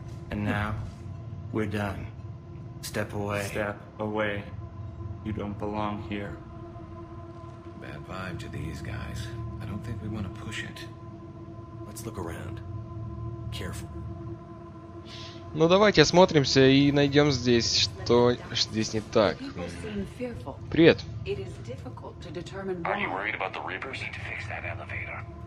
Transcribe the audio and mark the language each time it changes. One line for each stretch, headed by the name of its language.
English: And now, we're done. Step away. Step away. You don't belong here. Bad vibe to these guys. I don't think we want to push it. Let's look around. Careful.
Russian: Ну давайте осмотримся и найдем здесь, что здесь не так. Привет.
English: It is difficult to determine why. Are you worried about the Reapers? Need to fix that elevator.